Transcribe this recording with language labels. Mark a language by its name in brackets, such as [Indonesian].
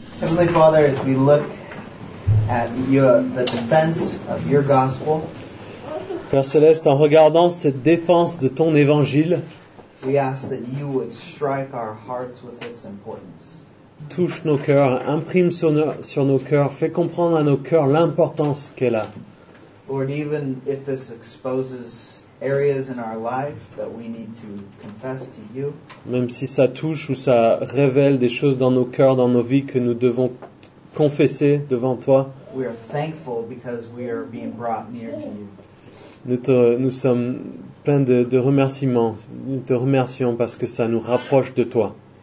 [English] Heavenly Father, as we look at the defense of your gospel, [French] Père Céleste, en regardant cette défense de ton évangile, [English] we ask that you would strike our hearts with its importance. [French] Touche nos cœurs, imprime sur nos cœurs, fais comprendre à nos cœurs l'importance qu'elle a. [English] Lord, even if this exposes areas in our life that we need to confess to you. [French] Même si ça touche ou ça révèle des choses dans nos cœurs, dans nos vies que nous devons confesser devant toi. [English] We are thankful because we are being brought near to you. [French] Nous sommes pleins de remerciements. Nous te remercions parce que ça nous rapproche de toi.